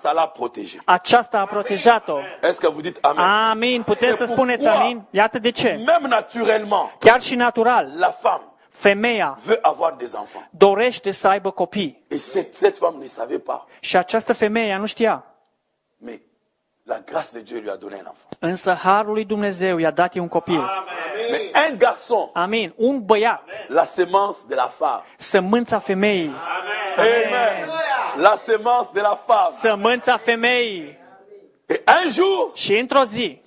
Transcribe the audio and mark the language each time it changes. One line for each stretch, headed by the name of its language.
French: Ça l'a protégée.
Romanian: Aceasta a protejat-o.
French: Est-ce que vous dites amen?
Romanian: Amin. Puteți să spuneți amin? Iată de ce.
French: Même naturellement.
Romanian: Chiar și natural.
French: La femme.
Romanian: Femeia
French: veut avoir des enfants.
Romanian: Dorește să aibă copii.
French: Et cette femme ne savait pas.
Romanian: Și această femeie ea nu știa.
French: Mais la grâce de Dieu lui a donné un enfant.
Romanian: Însă harul lui Dumnezeu i-a dat un copil.
French: Amen. Mais un garçon.
Romanian: Amin. Un băiat. Amen.
French: La semence de la femme.
Romanian: Sămânța femeii.
French: Amen. Amen. Amen. La semence de la femme.
Romanian: Sămânța femeii.
French: Et un jour.
Romanian: Și într-o zi.